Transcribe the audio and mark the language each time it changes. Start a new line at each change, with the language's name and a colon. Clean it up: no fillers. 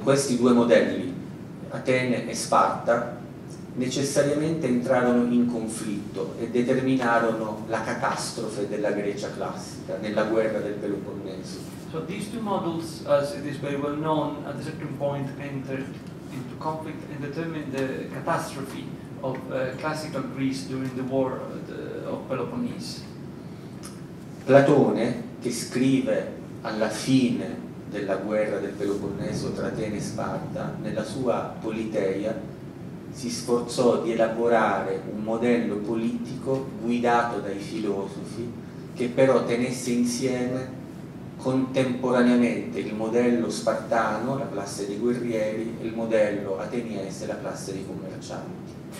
Italian: Questi due modelli, Atene e Sparta, necessariamente entrarono in conflitto e determinarono la catastrofe della Grecia classica nella guerra del Peloponneso.
English: So these two models, as it is very well known, at a certain point entered into conflict and determined the catastrophe of classical Greece during the war of Peloponnese.
Italian: Platone, che scrive alla fine della guerra del Peloponneso tra Atene e Sparta, nella sua Politeia si sforzò di elaborare un modello politico guidato dai filosofi che però tenesse insieme contemporaneamente il modello spartano, la classe dei guerrieri, e il modello ateniese, la classe dei commercianti.